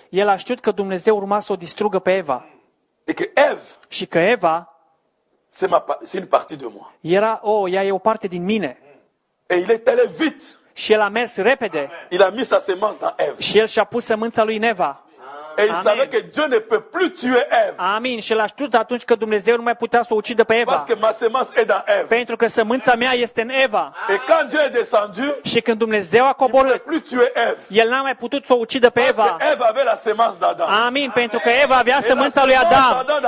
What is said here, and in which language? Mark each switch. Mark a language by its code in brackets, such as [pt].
[ro] El a știut că Dumnezeu urma să o distrugă pe Eva. [fr] Et que Eve, [ro] și că Eva, [fr] c'est une partie de moi. [ro] Era, ea e o parte din mine. [fr] Et il est allé vite. [ro] Și el a mers repede. [fr] Il a mis sa semence dans Eve. [ro] Și el și-a pus sămânța lui în Eva. [fr] Et il savait que Dieu ne peut plus tuer Eve. [ro] Amin. Și l-a știut atunci că Dumnezeu nu mai putea să o ucidă pe Eva. [fr] Parce que ma semence est dans Eve. [ro] Pentru că sămânța mea este în Eva. [fr] Et quand Dieu est descendu, [ro] și când Dumnezeu a coborât, [fr] il ne peut plus tuer Eve. [ro] El n-a mai putut să o ucidă pe Eva. [fr] Parce que Eve avait la semence d'Adam. [ro] Amin. Pentru că Eva avea sămânța lui Adam.